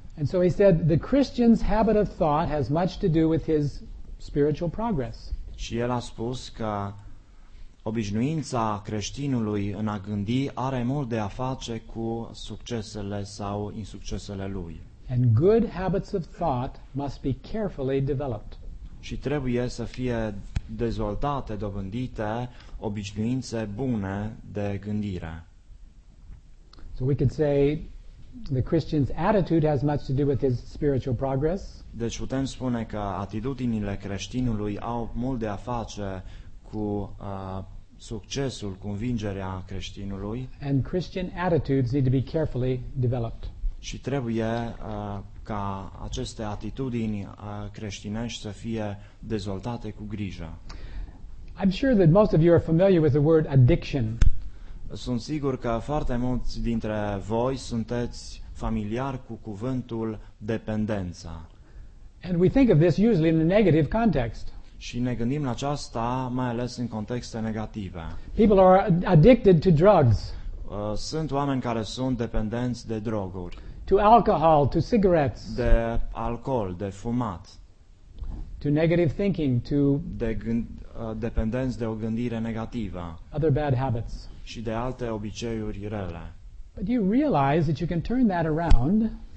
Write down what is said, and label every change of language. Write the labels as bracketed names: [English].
[English] And so he said the Christian's habit of thought has much to do with his spiritual progress. [Romanian] Și el a spus că obișnuința creștinului în a gândi are mult de a face cu succesele sau insuccesele lui. [English] And good habits of thought must be carefully developed. [Romanian] Și trebuie să fie dezvoltate, dobândite obișnuințe bune de gândire. [English] So we could say the Christian's attitude has much to do with his spiritual progress. [Romanian] Deci putem spune că atitudinile creștinului au mult de a face cu succesul, convingerea creștinului. [English] And Christian attitudes need to be carefully developed. [Romanian] Și trebuie ca aceste atitudini creștinești să fie dezvoltate cu grijă. [English] I'm sure that most of you are familiar with the word addiction. [Romanian] Sunt sigur că foarte mulți dintre voi sunteți familiar cu cuvântul dependența. [English] And we think of this usually in a negative context. [Romanian] Și ne gândim la aceasta mai ales în contexte negative. [English] People are addicted to drugs. [Romanian] Sunt oameni care sunt dependenți de droguri. [English] To alcohol, to cigarettes. [Romanian] De alcool, de fumat. [English] To negative thinking, to [Romanian] dependenți de o gândire negativă. [English] Other bad habits. [Romanian] Și de alte obiceiuri rele. [English] But you realize that you can turn that around.